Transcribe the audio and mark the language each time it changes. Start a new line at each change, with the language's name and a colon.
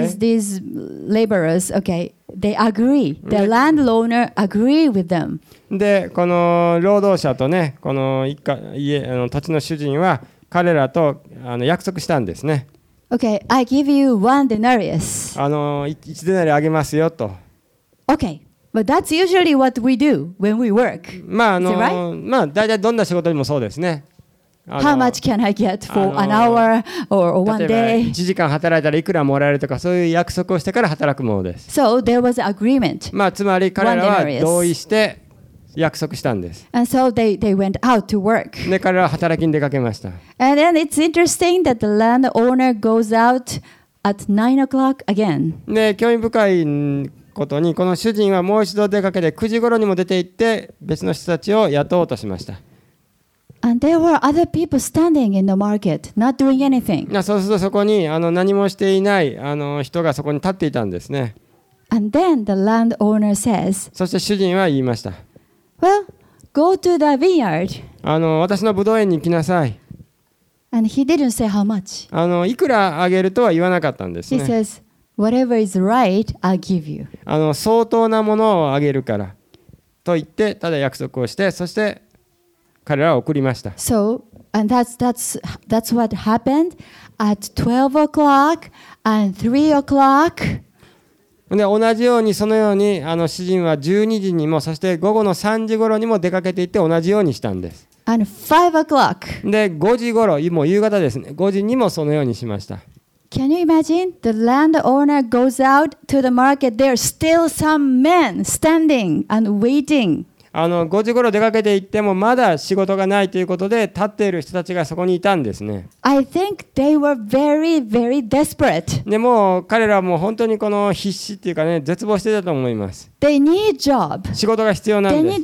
English: And these laborers, okay, they agree. The landowner agree with them.
Japanese: で、この労働者とね、この家土地の主人は彼らと約束したんですね。
English: Okay, I give you one denarius.
Japanese: 一デナリあげますよと。
English: Okay. But that's usually what we do when we work.
Japanese: まあ大体どんな仕事にもそうですね。
English: How much can I get for an hour or one day?
Japanese: 例えば1時間働いたらいくらもらえるとかそういう約束をしてから働くものです。
English: So there was an agreement.
Japanese: まあつまり彼らは同意して約束したんです。
English: And so they went out to work.
Japanese: で彼らは働きに出かけました。
English: And then it's interesting that the landowner goes out at 9 o'clock again.
Japanese: ね、興味深いことにこの主人はもう一度出かけて9時ごろにも出て行って別の人たちを雇おうとしました。
English: And there were other people standing in the market, not doing anything.
Japanese: そうするとそこに何もしていない人がそこに立っていたんですね。
English: And then the landowner says,
Japanese: そして主人は言いました。
English: Well, go to the vineyard.
Japanese: 私のブドウ園に行きなさい。
English: And he didn't say how much.
Japanese: いくらあげるとは言わなかったんですね。
English: He says,Whatever is right, I'll give you.
Japanese: 相当なものをあげるからと言ってただ約束をしてそして彼らを送りました。
English: So, and that's what happened at 12 o'clock and 3 o'clock.
Japanese: で同じようにそのように主人は12時にもそして午後の3時頃にも出かけていって同じようにしたんです。
English: And 5 o'clock.
Japanese: で5時頃もう夕方ですね。5時にもそのようにしました。
English: Can you imagine the landowner goes out to the market? There are still some men standing and waiting.
Japanese: 5時頃出かけて行ってもまだ仕事がないということで立っている人たちがそこにいたんですね。
English: I think they were very, very desperate.
Japanese: でも彼らも本当にこの必死っていうかね、絶望してたと思います。
English: They need job.
Japanese: 仕事が必要なんです。